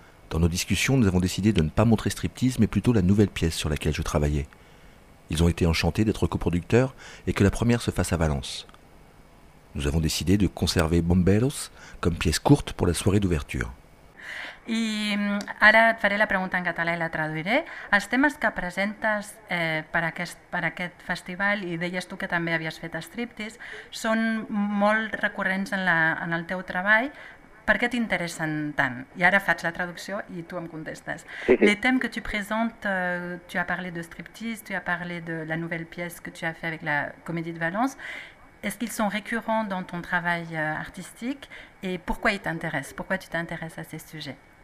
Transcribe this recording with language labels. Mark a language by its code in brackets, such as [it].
[fr] Dans nos discussions, nous avons décidé de ne pas montrer Striptease, mais plutôt la nouvelle pièce sur laquelle je travaillais. Ils ont été enchantés d'être coproducteurs et que la première se fasse à Valence. Nous avons décidé de conserver Bomberos comme pièce courte pour la soirée d'ouverture. [ca] I ara et faré la pregunta en català i la traduiré. Els temes que presentes per aquest festival, i deies tu que també havies fet Striptease, són molt recurrents en el teu treball. Per què t'interessen tant? I ara faig la traducció i tu em contestes. Sí. Les temes que tu presentes, [fr] tu has parlé de Striptease, tu has parlé de la nouvelle pièce que tu as fait avec la Comédie de Valence. Est-ce qu'ils sont récurrents dans ton travail artistique et pourquoi ils t'intéressent? Pourquoi tu t'intéresses à ces sujets?